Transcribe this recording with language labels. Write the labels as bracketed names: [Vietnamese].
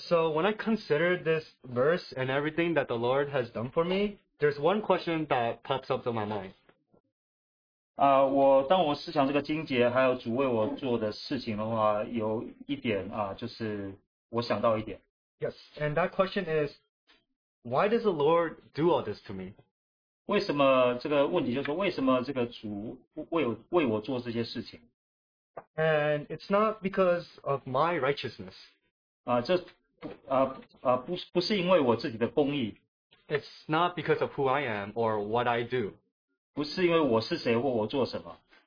[English] when I consider this verse and everything that the Lord has done for me, there's one question that pops up to my mind. [Chinese] 当我思想这个经节还有主为我做的事情的话，有一点就是我想到一点。 [English] Yes, and that question is, why does the Lord do all this to me? [Chinese] 为什么这个问题就是为什么这个主为我做这些事情? [English] And it's not because of my righteousness. [Chinese] 不是因为我自己的公义。 [English] It's not because of who I am or what I do. [Chinese] 不是因为我是谁或我做什么。